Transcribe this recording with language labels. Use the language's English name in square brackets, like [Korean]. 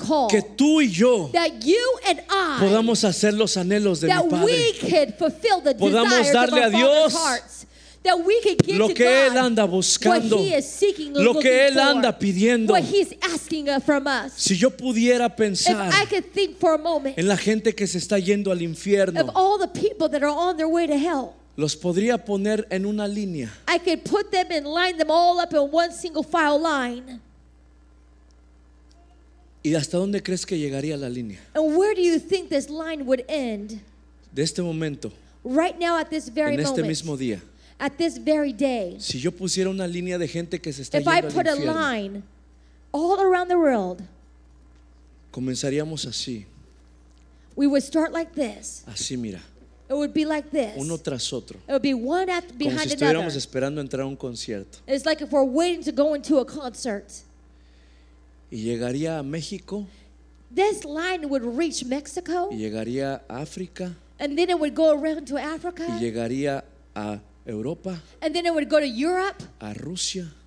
[Spanish] Que tú y yo podamos hacer los anhelos de mi Padre. Podamos darle a Dios [English] that we could give [Spanish] lo que [English] to God, [Spanish] él anda buscando, [English] what he is seeking, [Spanish] lo que él anda pidiendo, [English] what he's asking from us. [Spanish] Si yo pudiera pensar, [English] if I could think for a moment, [Spanish] en la gente que se está yendo al infierno, [English] of all the people that are on their way to hell, [Spanish] los podría poner en una línea, [English] I could put them and line them all up in one single file line. [Spanish] ¿Y hasta dónde crees que llegaría la línea? [English] And where do you think this line would end? [Spanish] De este momento, [English] right now at this very [Spanish] en este [English] moment, [Spanish] mismo día. [English] At this very day, [Spanish] si yo pusiera una línea de gente que se está [English] if I put [Spanish] infierno, [English] a line all around the world, [Spanish] comenzaríamos así. [English] We would start like this. [Spanish] Así, mira. [English] It would be like this. [Spanish] Uno tras otro. [English] It would be one after behind another. [Spanish] Como si estuviéramos esperando entrar a un concierto. [English] It's like if we're waiting to go into a concert. [Spanish] Y llegaría a México. [English] This line would reach Mexico. [Spanish] Y llegaría a África. [English] And then it would go around to Africa. [Spanish] Y llegaría a Europa, [English] and then it would go to Europe, [Spanish] a Rusia,